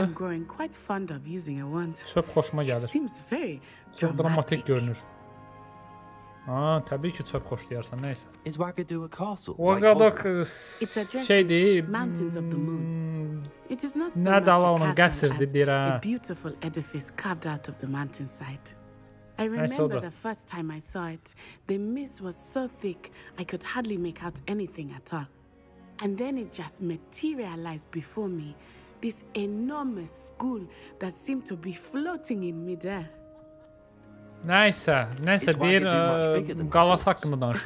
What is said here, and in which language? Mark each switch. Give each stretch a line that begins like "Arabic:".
English: I'm growing quite fond of using a wand.
Azerbaijani: Çox xoşuma gəlir.
English: Seems very dramatic
Azerbaijani: görünür. Ha, təbii ki çox xoşlayarsan, nəysə.
English: Is Wagadu a castle?
Azerbaijani: Wagadu şeydi.
English: Mountains of the moon. It is not so much a castle.
Azerbaijani: Qəsrdir deyir.
English: A beautiful edifice carved out of the mountainside. I remember the first time I saw it, the mist was so thick I could hardly make out anything at all. And then it just materialized before me, this enormous school that seemed to be floating in midair. Nice, nice.
Azerbaijani: Deyir, qalas haqqında danış.